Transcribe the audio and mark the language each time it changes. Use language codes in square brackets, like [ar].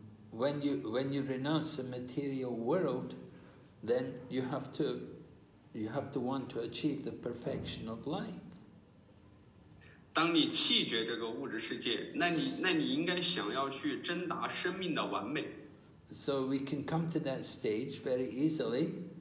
[en] When you renounce the material world, then you have to want to achieve the perfection of life. [zh] 当你弃绝这个物质世界，那你应该想要去争达生命的完美。 [en] So we can come to that stage very easily.